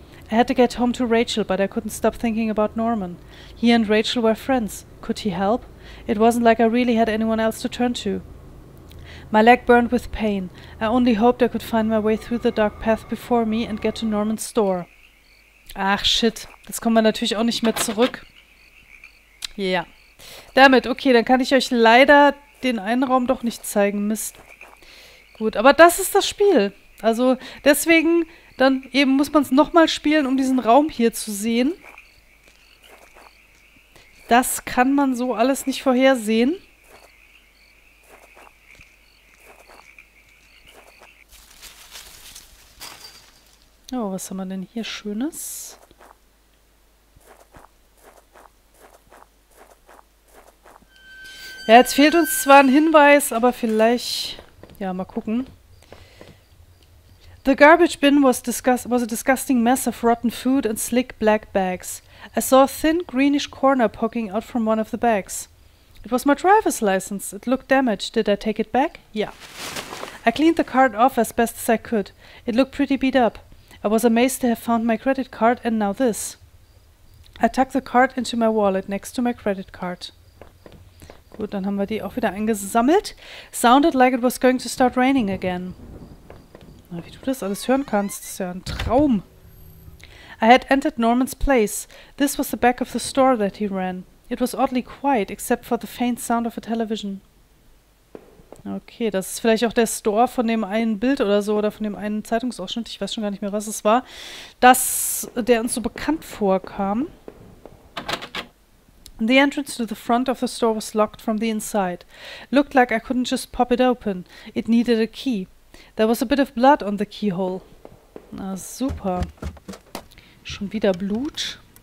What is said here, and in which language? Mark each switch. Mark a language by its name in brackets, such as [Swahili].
[English] I had to get home to Rachel, but I couldn't stop thinking about Norman. He and Rachel were friends. Could he help? It wasn't like I really had anyone else to turn to. My leg burned with pain. I only hoped I could find my way through the dark path before me and get to Norman's store. [German] Ach, shit. Jetzt kommen wir natürlich auch nicht mehr zurück. Ja. Yeah. Damit, okay, dann kann ich euch leider den einen Raum doch nicht zeigen. Mist. Gut, aber das ist das Spiel. Also, deswegen, dann eben muss man es nochmal spielen, um diesen Raum hier zu sehen. Das kann man so alles nicht vorhersehen. Oh, was haben wir denn hier Schönes? Ja, jetzt fehlt uns zwar ein Hinweis, aber vielleicht, ja, mal gucken. [English] The garbage bin was a disgusting mess of rotten food and slick black bags. I saw a thin greenish corner poking out from one of the bags. It was my driver's license. It looked damaged. Did I take it back? Yeah. I cleaned the card off as best as I could. It looked pretty beat up. I was amazed to have found my credit card and now this. I tucked the card into my wallet next to my credit card. [German] Gut, dann haben wir die auch wieder eingesammelt. Sounded like it was going to start raining again. Na, wie du das alles hören kannst, ist ja ein Traum. [English] I had entered Norman's place. This was the back of the store that he ran. It was oddly quiet, except for the faint sound of a television. [German] Okay, das ist vielleicht auch der Store von dem einen Bild oder so oder von dem einen Zeitungsausschnitt. Ich weiß schon gar nicht mehr, was es war, dass der uns so bekannt vorkam. [English] The entrance to the front of the store was locked from the inside. Looked like I couldn't just pop it open. It needed a key. There was a bit of blood on the keyhole. [German] Na super. Schon wieder Blut.